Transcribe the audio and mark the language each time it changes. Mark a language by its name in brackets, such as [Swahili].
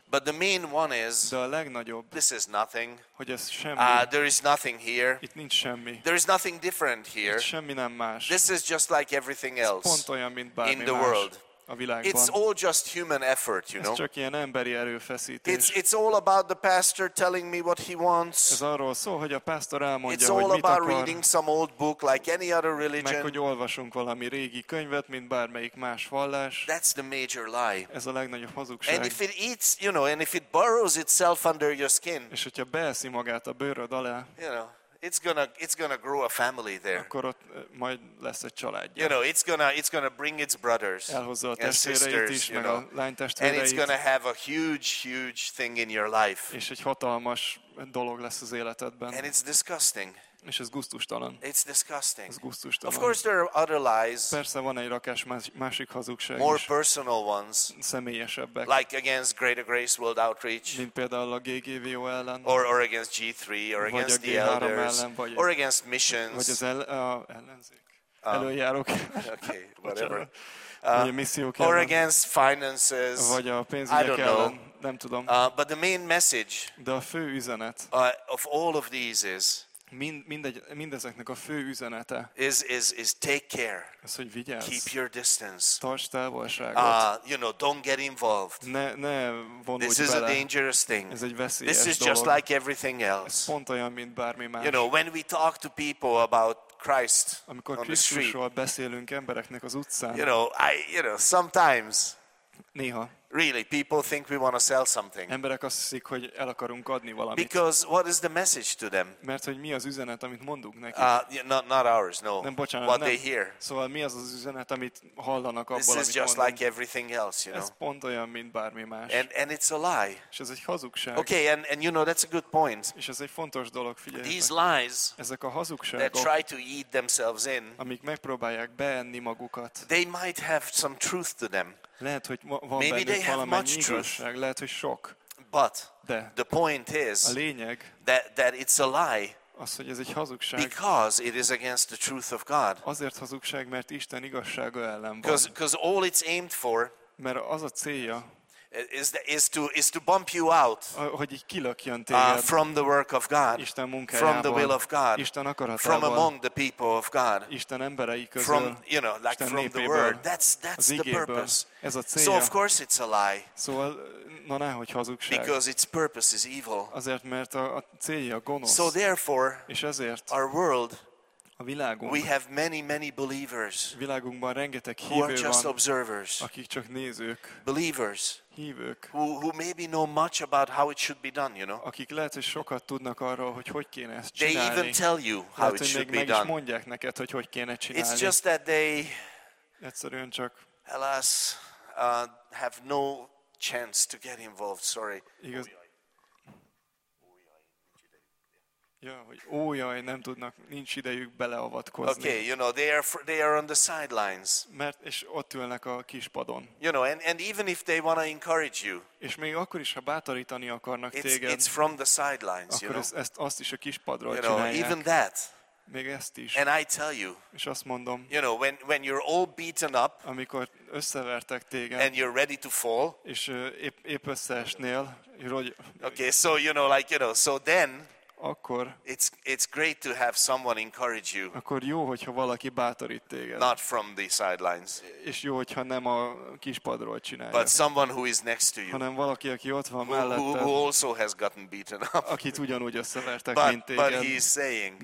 [English] But the main one is. [Hungarian] De a legnagyobb. [English] This is nothing. [Hungarian] Hogy ez semmi. [English] There is nothing here. [Hungarian] Itt nincs semmi. [English] There is nothing different here. [Hungarian] Itt semmi nem más. [English] This is just like everything else. [Hungarian] Pont olyan, mint bármi [English] in the world. [Hungarian] Más. A világban. [English] It's all just human effort, you know. [Hungarian] Ez csak ilyen emberi erőfeszítés. [English] It's all about the pastor telling me what he wants. [Hungarian] Ez arról szól, hogy a pásztor elmondja, hogy mit akar. [English] It's all about reading some old book like any other religion. [Hungarian] Meg, hogy olvasunk valami régi könyvet, mint bármelyik más vallás. [English] That's the major lie. [Hungarian] Ez a legnagyobb hazugság. [English] And if it eats, you know, and if it burrows itself under your skin. [Hungarian] És hogyha beeszi magát a bőröd alá. [English] You know. It's gonna grow a family there. [Hungarian] Akkor ott majd lesz egy családja. [English] You know, it's gonna bring its brothers [Hungarian] elhozza a testvéreit is, meg a lány testvéreit. [English] And it's gonna have a huge thing in your life. [Hungarian] És egy hatalmas dolog lesz az életedben. [English] And it's disgusting. [Hungarian] És ez gusztustalan. [English] It's disgusting. [Hungarian] Ez gusztustalan. [English] Of course there are other lies. [Hungarian] Persze van egy rakás másik hazugság is. [English] More personal ones. [Hungarian] Személyesebbek. [English] Like against Greater Grace World Outreach. [Hungarian] Mint például a GGVO ellen. [English] Or against G3 or against the elders. [Hungarian] Ellen, vagy [English] or against missions. [Hungarian] Vagy az ellenzék. Előjárok. [English] Okay, whatever. [Hungarian] Ellen, [English] or against finances. [Hungarian] Vagy a pénzügyek ellen. Nem tudom. [English] But the main message. [Hungarian] De a fő üzenet. [English] Of all of these is. [Hungarian] Mindezeknek a fő üzenete. [English] Is take care. [Hungarian] Az, hogy vigyázz. [English] Keep your distance. [Hungarian] Tarts távolságot. [English] You know, don't get involved. [Hungarian] Ne vonulj bele. [English] This is a dangerous thing. [Hungarian] Ez egy veszélyes dolog. [English] This is just like everything else. [Hungarian] Ez pont olyan, mint bármi más. [English] You know, when we talk to people about Christ [Hungarian] amikor [English] on the street. [Hungarian] Krisztusról beszélünk embereknek az utcán. [English] You know, sometimes. [Hungarian] Néha. [English] Really, people think we want to sell something. [Hungarian] Emberek azt hiszik, hogy el akarunk adni valamit. [English] Because what is the message to them? [Hungarian] Mert hogy mi az üzenet, amit mondunk nekik? [English] Not ours, no. [Hungarian] Nem, bocsánat, [English] what [Hungarian] nem. [English] They hear. [Hungarian] Szóval mi az üzenet, amit hallanak abból, [English] this [Hungarian] amit [English] is just [Hungarian] mondunk. [English] Like everything else, you know. [Hungarian] Ez pont olyan, mint bármi más. [English] And it's a lie. [Hungarian] És ez egy hazugság. [English] Okay, and you know that's a good point. [Hungarian] És ez egy fontos dolog, figyeljetek. [English] These lies. [Hungarian] Ezek a hazugságok. [English] That try to eat themselves in. [Hungarian] Amik megpróbálják beenni magukat. [English] They might have some truth to them. [Hungarian] Lehet, hogy van bennük valamennyi igazság, lehet, hogy sok. [English] But [Hungarian] de [English] the point is [Hungarian] a lényeg, [English] that it's a lie. [Hungarian] Az, hogy ez egy hazugság. [English] Because it is against the truth of God. [Hungarian] Azért hazugság, mert Isten igazsága ellen van. [English] Because all it's aimed for. [Hungarian] Mert az a célja. [English] Is to bump you out. [Hungarian] Hogy így kilökjön téged. [English] From the work of God. [Hungarian] Isten munkájából. [English] From the will of God. [Hungarian] Isten akaratából. [English] From among the people of God. [Hungarian] Isten emberei közül. [English] From, you know, like from the word. That's the purpose. [Hungarian] Ez a célja. [English] So of course it's a lie. [Hungarian] Szóval, na ne, hogy hazugság. [English] Because its purpose is evil. [Hungarian] Azért, mert a célja gonosz. [English] So therefore, [Hungarian] és ezért, [English] our world. [Hungarian] A világunk, [English] we have many believers. [Hungarian] Világunkban rengeteg hívő [English] who are just observers, [Hungarian] van, akik csak nézők. [English] Believers. [Hungarian] Hívők. [English] Who maybe know much about how it should be done, you know? [Hungarian] Akik lehet, hogy sokat tudnak arról, hogy hogy kéne ezt csinálni. [English] They even tell you how [Hungarian] lehet, [English] it should be done. [Hungarian] Mondják neked, hogy hogy kéne csinálni. [English] It's just that they [Hungarian] egyszerűen csak [English] alas have no chance to get involved, sorry. [Hungarian] Igaz. Ja, hogy ó, jaj, nem tudnak, nincs idejük beleavatkozni. [English] Okay, you know, they are on the sidelines. [Hungarian] Mert és ott ülnek a kis padon. [English] You know, and even if they want to encourage you. [Hungarian] És még akkor is, ha bátorítani akarnak téged. [English] It's from the sidelines, you know. [Hungarian] Akkor ezt azt is a kis padról csinálják. [English] You know, even that. [Hungarian] Még ezt is. [English] And I tell you. [Hungarian] És azt mondom. [English] You know, when you're all beaten up. [Hungarian] Amikor összevertek téged. [English] And you're ready to fall. [Hungarian] És épp összeesnél. [English] Okay, so you know, like, you know, so then [Hungarian] akkor [English] it's great to have someone encourage you. [Hungarian] Akkor jó, hogyha valaki bátorít téged. [English] Not from the sidelines. [Hungarian] És jó, hogyha nem a kispadról csinálja. [English] But someone who is next to you. [Hungarian] Hanem valaki, aki ott van mellette. [English] Who also has gotten beaten up. [Hungarian] Akit ugyanúgy összevertek, mint téged. [English] But he's saying.